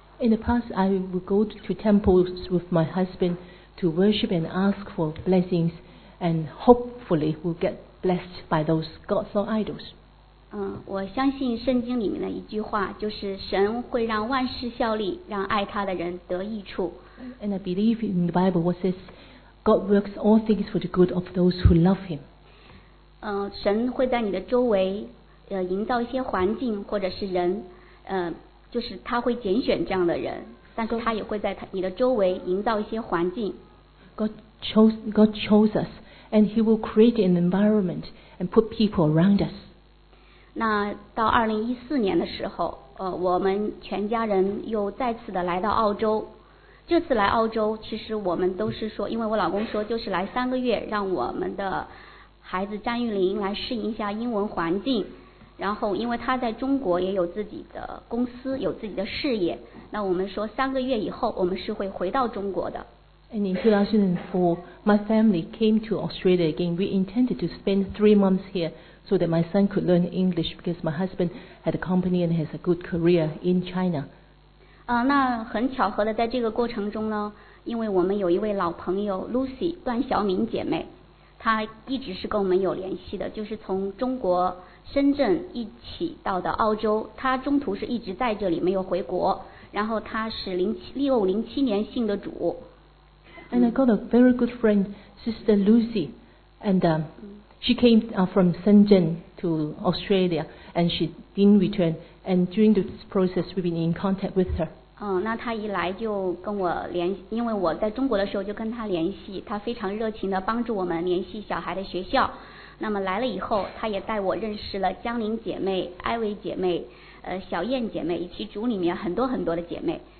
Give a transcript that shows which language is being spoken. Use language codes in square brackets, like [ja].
[en] In the past, I would go to temples with my husband to worship and ask for blessings, and hopefully we'll get blessed by those gods or idols. [zh] 我相信圣经里面的一句话，就是神会让万事效力，让爱他的人得益处。 [en] And I believe in the Bible, what says God works all things for the good of those who love him. [zh] 神会在你的周围营造一些环境或者是人，就是他会拣选这样的人，但是他也会在你的周围营造一些环境。 [en] God chose us, and He will create an environment and put people around us. [zh] 那到2014年的时候，我们全家人又再次的来到澳洲。这次来澳洲，其实我们都是说，因为我老公说就是来3个月，让我们的孩子詹玉玲来适应一下英文环境。然后因为他在中国也有自己的公司，有自己的事业，那我们说3个月以后我们是会回到中国的。 [en] And in 2004 my family came to Australia again. We intended to spend 3 months here so that my son could learn English because my husband had a company and has a good career in China. [zh] 那很巧合的在这个过程中呢，因为我们有一位老朋友 Lucy 段小敏姐妹，她一直是跟我们有联系的，就是从中国深圳一起到的澳洲，他中途是一直在这里没有回国，然后他是2007年信的主。 [en] And I got a very good friend, Sister Lucy, and she came from Shenzhen to Australia, and she didn't return. And during this process, we've been in contact with her. [zh] 那他一来就跟我联系，因为我在中国的时候就跟他联系，他非常热情的帮助我们联系小孩的学校。那么来了以后，他也带我认识了江玲姐妹、艾薇姐妹、小燕姐妹，以及组里面很多很多的姐妹。